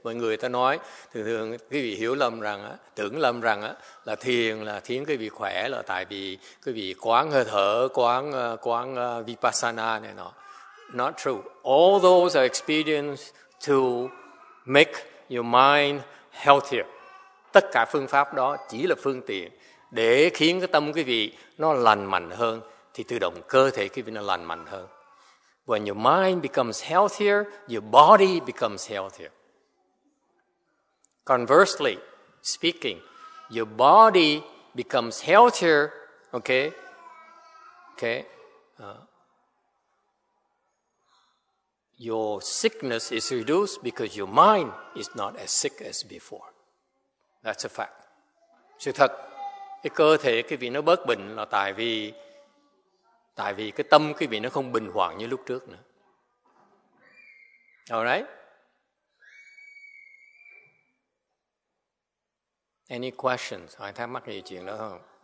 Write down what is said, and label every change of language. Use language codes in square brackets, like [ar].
[vi] Mọi người ta nói thường quý vị hiểu lầm rằng á, tưởng lầm rằng á là thiền là khiến quý vị khỏe là tại vì quý vị quán hơi thở, quán vipassana này nọ. [en] Not true. All those are experienced to make your mind healthier. [vi] Tất cả phương pháp đó chỉ là phương tiện để khiến cái tâm quý vị nó lành mạnh hơn, thì tự động cơ thể quý vị nó lành mạnh hơn. [en] When your mind becomes healthier, your body becomes healthier. Conversely speaking, your body becomes healthier, okay? Okay? Your sickness is reduced because your mind is not as sick as before. That's a fact. [vi] Sự thật, cái cơ thể cái vị nó bớt bệnh là tại vì cái tâm cái vị nó không bình hoảng như lúc trước nữa. [en] All right? Any questions? [vi] Ai thắc mắc gì chuyện đó không?